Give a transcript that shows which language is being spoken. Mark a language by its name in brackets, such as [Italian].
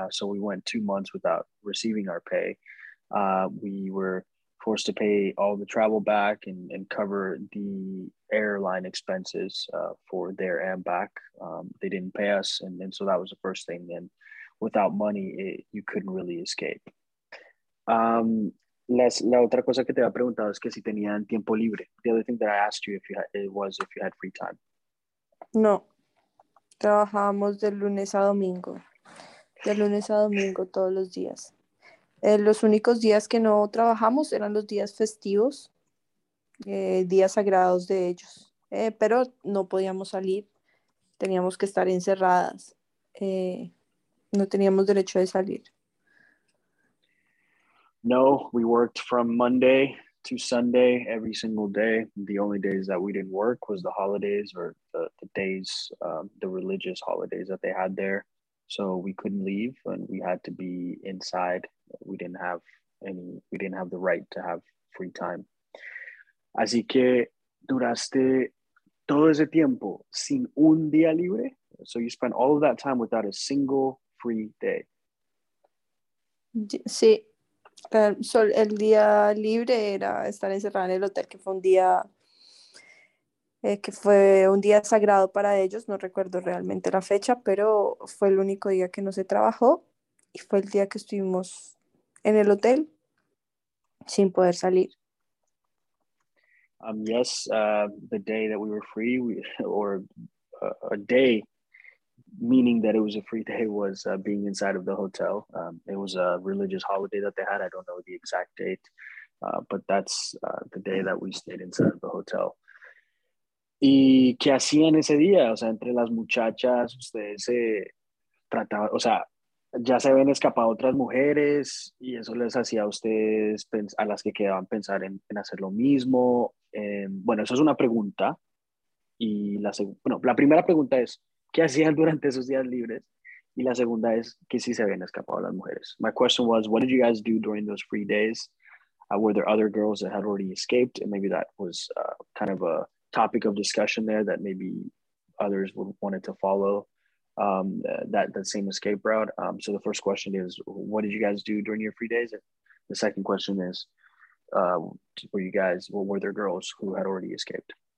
[English] So we went 2 months without receiving our pay. We were forced to pay all the travel back and cover the airline expenses for there and back. They didn't pay us, and so that was the first thing. And without money, you couldn't really escape. [Spanish] La otra cosa que te había preguntado es que si tenían tiempo libre. [English] The other thing that I asked you if you had free time. [Spanish] No, trabajábamos de lunes a domingo, de lunes a domingo todos los días. Los únicos días que no trabajamos eran los días festivos, días sagrados de ellos, pero no podíamos salir, teníamos que estar encerradas, no teníamos derecho de salir. [English] No, we worked from Monday to Sunday every single day. The only days that we didn't work was the holidays or the days, the religious holidays that they had there. So we couldn't leave and we had to be inside. We didn't have the right to have free time. [Spanish] Así que duraste todo ese tiempo sin un día libre. [English] So you spent all of that time without a single free day. [Spanish] Sí, el día libre era estar encerrada en el hotel, que fue un día sagrado para ellos, no recuerdo realmente la fecha, pero fue el único día que no se trabajó y fue el día que estuvimos en el hotel sin poder salir. [English] Yes, the day that we were free, or a day, meaning that it was a free day, was being inside of the hotel. It was a religious holiday that they had. I don't know the exact date, but that's the day that we stayed inside of the hotel. [Spanish] ¿Y qué hacían ese día? O sea, entre las muchachas, ustedes se trataban, o sea, ya se habían escapado otras mujeres y eso les hacía a ustedes, a las que quedaban, pensar en hacer lo mismo. Bueno, eso es una pregunta. Y la segunda, bueno, la primera pregunta es, ¿qué hacían durante esos días libres? Y la segunda es, ¿qué si se habían escapado las mujeres? [English] My question was, what did you guys do during those free days? Were there other girls that had already escaped? And maybe that was kind of a topic of discussion there that maybe others would wanted to follow that same escape route. So the first question is, what did you guys do during your free days? And the second question is, were you guys, well, were there girls who had already escaped?